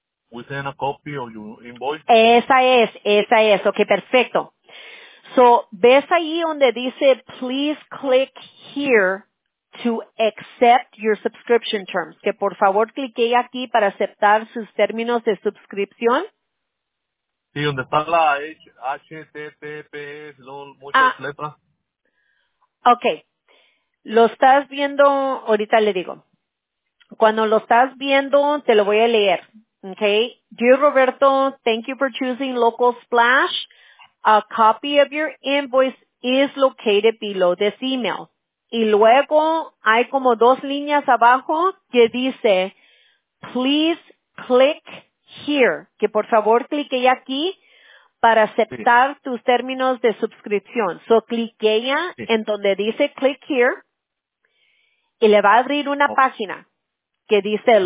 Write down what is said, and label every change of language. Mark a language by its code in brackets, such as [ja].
[en] We send a copy of your invoice. [es] Esa es. Okay, perfecto. So, ves ahí donde dice, [en] please click here to accept your subscription terms. [es] Que por favor clique aquí para aceptar sus términos de suscripción. Sí. Sí, donde está la HTTPS, luego muchas letras. Okay. Lo estás viendo, ahorita le digo. Cuando lo estás viendo, te lo voy a leer. Okay. [en] Dear Roberto, thank you for choosing Local Splash. A copy of your invoice is located below this email. [es] Y luego hay como dos líneas abajo que dice, [en] please click here, [es] que por favor clique aquí para aceptar sí. tus términos de suscripción. So, clique ya sí. en donde dice click here y le va a abrir una página que dice sí.